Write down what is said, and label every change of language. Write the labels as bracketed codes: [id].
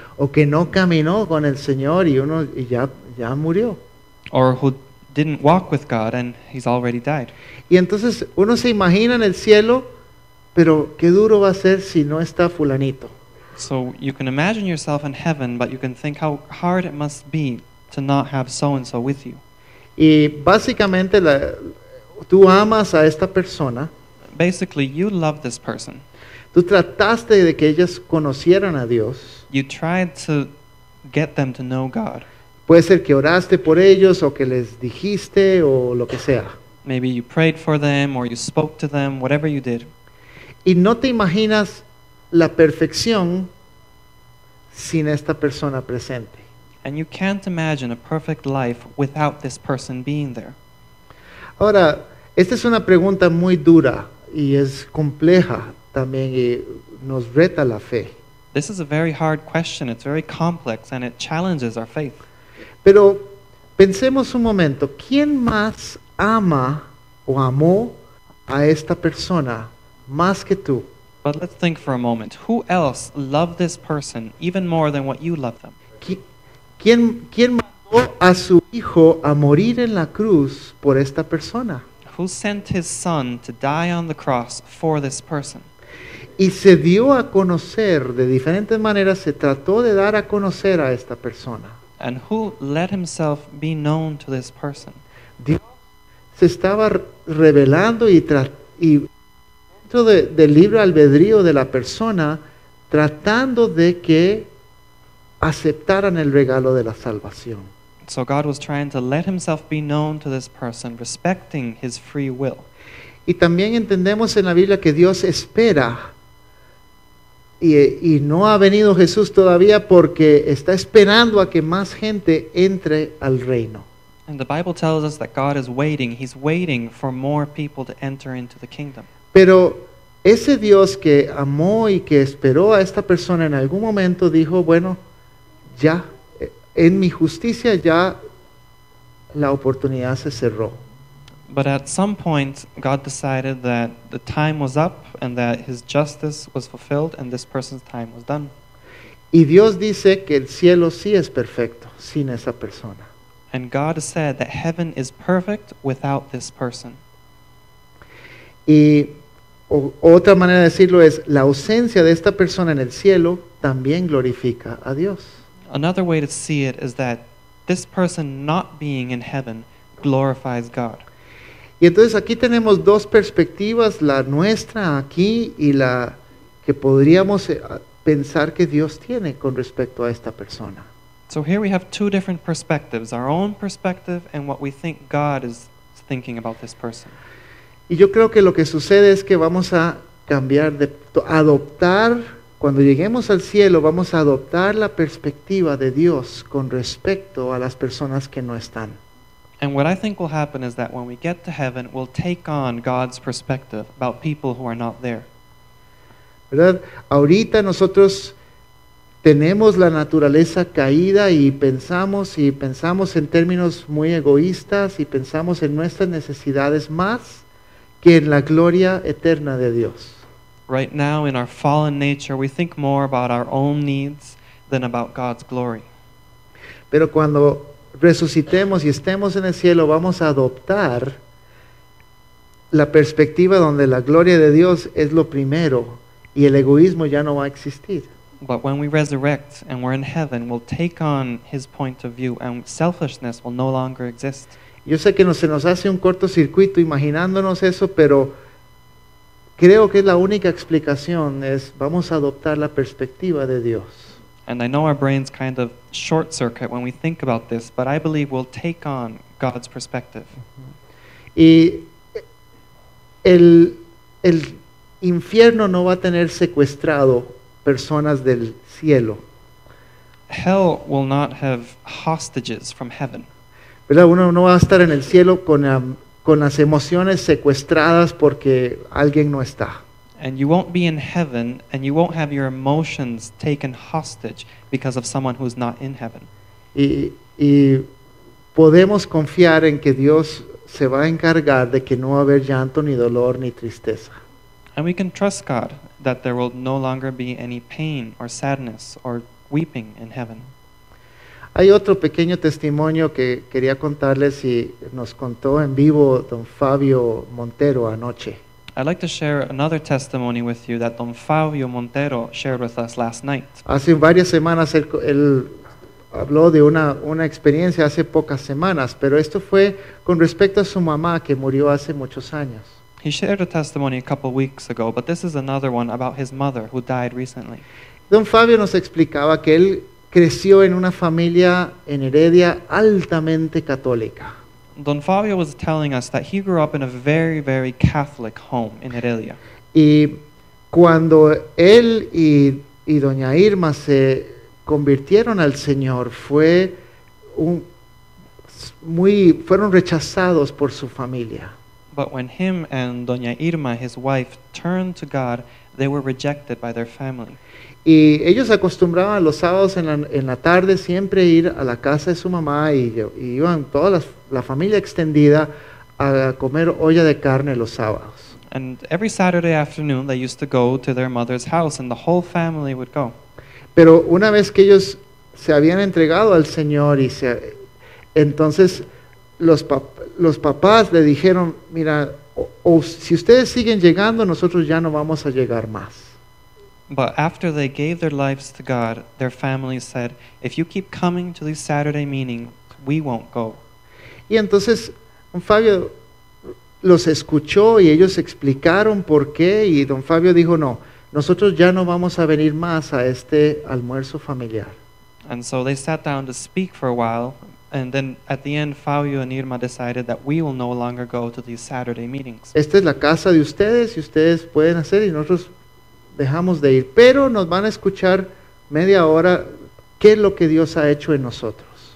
[es] O que no caminó con el Señor y uno y ya murió. [en] Or who didn't walk with God and he's already died. [es] Y entonces uno se imagina en el cielo, pero qué duro va a ser si no está fulanito. [en] So you can imagine yourself in heaven, but you can think how hard it must be to not have so and so with you. [es] Y básicamente tú amas a esta persona. [en] Basically, you love this person. [es] Tú trataste de que ellas conocieran a Dios. [en] You tried to get them to know God. [es] Puede ser que oraste por ellos o que les dijiste o lo que sea. [en] Maybe you prayed for them or you spoke to them, whatever you did. [es] Y no te imaginas la perfección sin esta persona presente. [en] And you can't imagine a perfect life without this person being there. [es] Ahora, esta es una pregunta muy dura y es compleja también y nos reta la fe. [en] This is a very hard question. It's very complex and it challenges our faith. [es] Pero pensemos un momento, ¿quién más ama o amó a esta persona más que tú? [en] But let's think for a moment. Who else loved this person even more than what you love them? [es] ¿Quién mandó a su hijo a morir en la cruz por esta persona? [en] Who sent his son to die on the cross for this person? [es] Y se dio a conocer, de diferentes maneras, se trató de dar a conocer a esta persona. [en] And who let himself be known to this person? [es] Dios se estaba revelando y dentro del libre albedrío de la persona tratando de que aceptaran el regalo de la salvación. [en] So God was trying to let himself be known to this person, respecting his free will. [es] Y también entendemos en la Biblia que Dios espera. Y no ha venido Jesús todavía porque está esperando a que más gente entre al reino. [en] And the Bible tells us that God is waiting. He's waiting for more people to enter into the kingdom. [es] Pero ese Dios que amó y que esperó a esta persona en algún momento dijo, bueno, ya, en mi justicia ya la oportunidad se cerró. [en] But at some point, God decided that the time was up and that his justice was fulfilled and this person's time was done. [es] Y Dios dice que el cielo sí es perfecto sin esa persona. [en] And God said that heaven is perfect without this person. [es] Y otra manera de decirlo es, la ausencia de esta persona en el cielo también glorifica a Dios. [en] Another way to see it is that this person not being in heaven glorifies God. [es] Y entonces aquí tenemos dos perspectivas, la nuestra aquí y la que podríamos pensar que Dios tiene con respecto a esta persona. [en] So here we have two different perspectives, our own perspective and what we think God is thinking about this person. [es] Y yo creo que lo que sucede es que vamos a cambiar de adoptar, cuando lleguemos al cielo, vamos a adoptar la perspectiva de Dios con respecto a las personas que no están. [en] And what I think will happen is that when we get to heaven, we'll take on God's perspective about people who are not there. [es] ¿Verdad? Ahorita nosotros tenemos la naturaleza caída y pensamos en términos muy egoístas y pensamos en nuestras necesidades más que en la gloria eterna de Dios. [en] Right now in our fallen nature, we think more about our own needs than about God's glory. [es] Pero cuando resucitemos y estemos en el cielo, vamos a adoptar la perspectiva donde la gloria de Dios es lo primero y el egoísmo ya no va a existir. [en] But when we resurrect and we're in heaven, we'll take on his point of view and selfishness will no longer exist. [es] Yo sé que se nos hace un cortocircuito imaginándonos eso, pero creo que la única explicación es vamos a adoptar la perspectiva de Dios. [en] And I know our brains kind of short circuit when we think about this, but I believe we'll take on God's perspective. [es] Y el infierno no va a tener secuestrado personas del cielo. [en] Hell will not have hostages from heaven. [es] ¿Verdad? Uno no va a estar en el cielo con las emociones secuestradas porque alguien no está. [en] And you won't be in heaven and you won't have your emotions taken hostage because of someone who's not in heaven. [es] Y podemos confiar en que Dios se va a encargar de que no va a haber llanto, ni dolor, ni tristeza. [en] And we can trust God that there will no longer be any pain or sadness or weeping in heaven. [es] Hay otro pequeño testimonio que quería contarles y nos contó en vivo Don Fabio Montero anoche. [en] I'd like to share another testimony with you that Don Fabio Montero shared with us last night. [es] Hace varias semanas él habló de una experiencia hace pocas semanas, pero esto fue con respecto a su mamá que murió hace muchos años. [en] He shared a testimony a couple weeks ago, but this is another one about his mother who died recently. [es] Don Fabio nos explicaba que él creció en una familia en Heredia altamente católica. [en] Don Fabio was telling us that he grew up in a very, very Catholic home in Heredia. [es] Y cuando él y Doña Irma se convirtieron al Señor, fueron rechazados por su familia. [en] But when him and Doña Irma, his wife, turned to God, they were rejected by their family. [es] Y ellos acostumbraban los sábados en la tarde siempre ir a la casa de su mamá y iban toda la familia extendida a comer olla de carne los sábados. [en] And every Saturday afternoon they used to go to their mother's house and the whole family would go. [es] Pero una vez que ellos se habían entregado al Señor entonces los papás le dijeron, mira, si ustedes siguen llegando, nosotros ya no vamos a llegar más. [en] But after they gave their lives to God, their family said, if you keep coming to these Saturday meetings, we won't go. [es] Y entonces, Don Fabio los escuchó y ellos explicaron por qué. Y Don Fabio dijo, no, nosotros ya no vamos a venir más a este almuerzo familiar. [en] And so they sat down to speak for a while. And then at the end, Fabio and Irma decided that we will no longer go to these Saturday meetings. [es] Esta es la casa de ustedes y ustedes pueden hacer y nosotros dejamos de ir. Pero nos van a escuchar media hora qué es lo que Dios ha hecho en nosotros.